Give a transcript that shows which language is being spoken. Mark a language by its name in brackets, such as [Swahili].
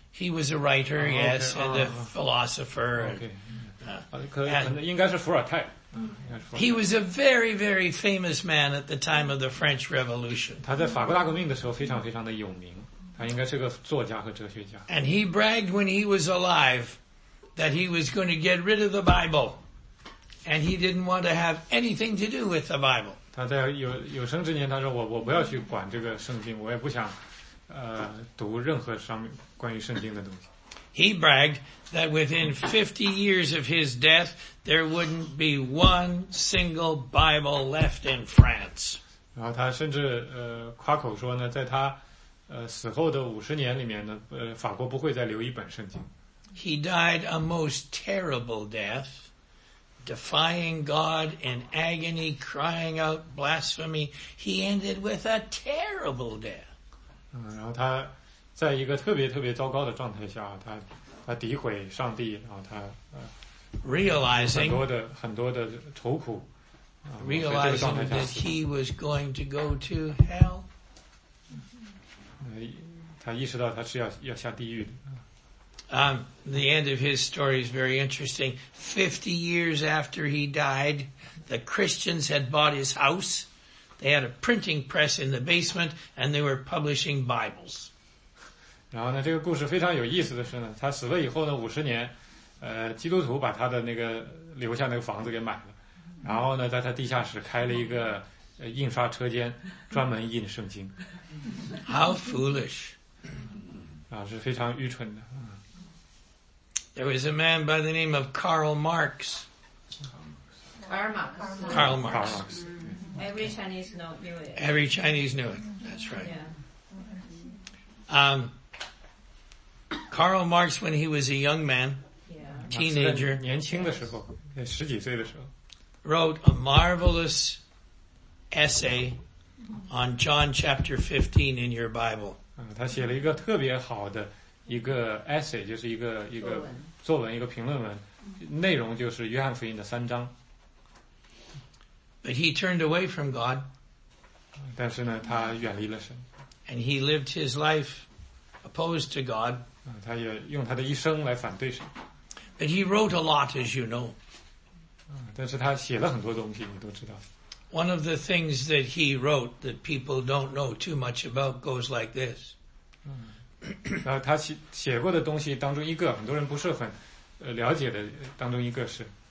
[English] He was a writer, yes, and a philosopher. [Chinese] Okay. 应该是伏尔泰。 [English] He was a very, very famous man at the time of the French Revolution. [Chinese] 他在法国大革命的时候非常非常的有名。他应该是个作家和哲学家。 [English] And he bragged when he was alive that he was going to get rid of the Bible. And he didn't want to have anything to do with the Bible. [Chinese] 他在有生之年他说我不要去管这个圣经，我也不想读任何关于圣经的东西。 [English] He bragged that within 50 years of his death, there wouldn't be one single Bible left in France. [Chinese] 然后他甚至夸口说呢，在他死后的50年里面呢，法国不会再留一本圣经。 [English] He died a most terrible death, defying God in agony, crying out blasphemy. He ended with a terrible death. [Chinese] 然后他在一个特别特别糟糕的状态下，他诋毁上帝，然后他 [English] realizing [Chinese] 很多的愁苦， [English] realizing that he was going to go to hell， [Chinese] 他意识到他是要下地狱的。 [English] The end of his story is very interesting. 50 years after he died, the Christians had bought his house. They had a printing press in the basement, and they were publishing Bibles. [Chinese] 然后呢，这个故事非常有意思的是呢，他死了以后呢，50年，基督徒把他的那个留下那个房子给买了，然后呢，在他地下室开了一个印刷车间，专门印圣经。 [English] How foolish！ [Chinese] 啊，是非常愚蠢的。 [English] There was a man by the name of Karl Marx. Karl Marx. Karl Marx. Karl Marx. Every Chinese knew it. Every Chinese knew it. That's right. Yeah. Karl Marx, when he was a young man, teenager, [Chinese] 年轻的时候，十几岁的时候， [English] wrote a marvelous essay on John chapter 15 in your Bible. [Chinese] 他写了一个特别好的一个 essay， 就是一个作文，一个评论文，内容就是约翰福音的三章。 [English] But he turned away from God. [Chinese] 但是呢，他远离了神。 [English] And he lived his life opposed to God. [Chinese] 他也用他的一生来反对神。 [English] But he wrote a lot, as you know. [Chinese] 但是他写了很多东西，你都知道。 [English] One of the things that he wrote that people don't know too much about goes like this. [Chinese] 他写过的东西当中一个，很多人不是很了解的当中一个是。